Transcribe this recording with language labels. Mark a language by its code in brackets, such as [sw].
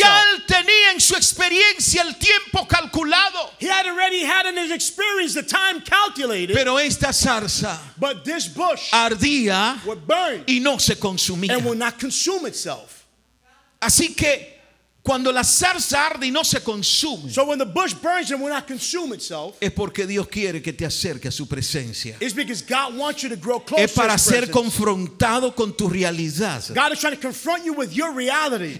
[es] Ya él tenía en su experiencia el tiempo calculado. [en] He had already had in his experience the time calculated. [es] Pero esta zarza [en] but this bush [es] ardía [en] were burned, [es] y no se consumía. [en] And will not consume itself. [es] Así que cuando la zarza arde y no se consume, [en] so when the bush burns and will not consume itself, [es] es porque Dios quiere que te acerque a su presencia. [en] It's because God wants you to grow close. [es] Es para [en] to his [es] ser [en] presence. [es] Confrontado con tu realidad. [en] God is trying to confront you with your reality.